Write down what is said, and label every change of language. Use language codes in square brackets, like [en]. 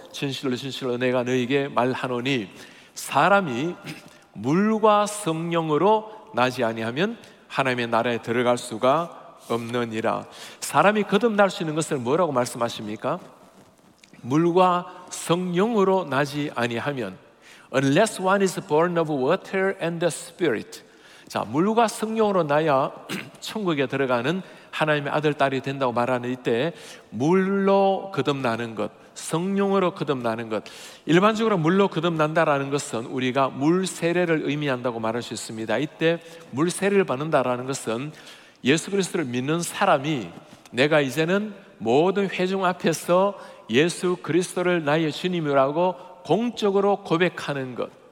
[ko] 진실로 진실로 내가 너에게 말하노니 사람이 물과 성령으로 나지 아니하면 하나님의 나라에 들어갈 수가 없느니라. 사람이 거듭날 수 있는 것을 뭐라고 말씀하십니까? 물과 성령으로 나지 아니하면. [en] Unless one is born of water and the spirit. [ko] 자, 물과 성령으로 나야 천국에 들어가는 하나님의 아들, 딸이 된다고 말하는 이때 물로 거듭나는 것, 성령으로 거듭나는 것. 일반적으로 물로 거듭난다라는 것은 우리가 물 세례를 의미한다고 말할 수 있습니다. 이때 물 세례를 받는다라는 것은 예수 그리스도를 믿는 사람이 내가 이제는 모든 회중 앞에서 예수 그리스도를 나의 주님이라고 공적으로 고백하는 것.